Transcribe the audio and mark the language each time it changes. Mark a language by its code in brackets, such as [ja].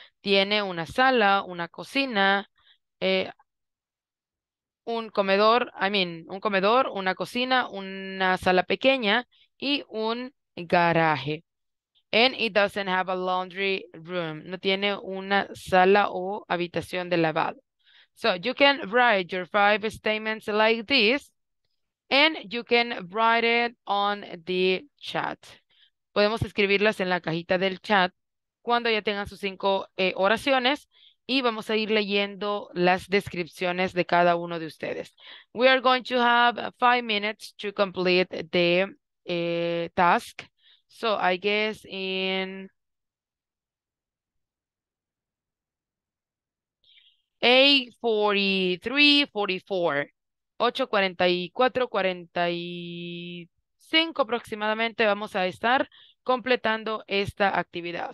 [es] Tiene una sala, una cocina, un comedor, un comedor, una cocina, una sala pequeña, y un garaje. [en] And it doesn't have a laundry room. [es] No tiene una sala o habitación de lavado. [en] So you can write your 5 statements like this. And you can write it on the chat. [es] Podemos escribirlas en la cajita del chat cuando ya tengan sus 5 oraciones y vamos a ir leyendo las descripciones de cada uno de ustedes. [en] We are going to have 5 minutes to complete the task. So I guess in 8:43, 44. [es] 8:44, 45 aproximadamente vamos a estar completando esta actividad.